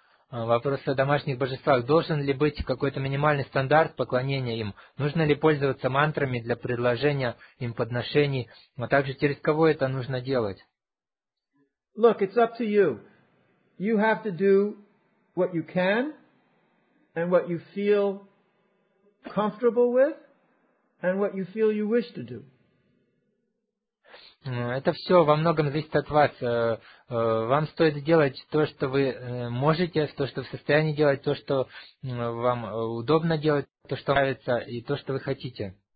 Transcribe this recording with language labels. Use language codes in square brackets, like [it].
[ru] Вопрос о домашних божествах. Должен ли быть какой-то минимальный стандарт поклонения им? Нужно ли пользоваться мантрами для предложения им подношений? А также через кого это нужно делать? [en] Look, it's up to you. You have to do what you can and what you feel comfortable with and what you feel you wish to do. [ru] Это все во многом зависит от вас. Вам стоит делать то, что вы можете, то, что в состоянии делать, то, что вам удобно делать, то, что нравится, и то, что вы хотите.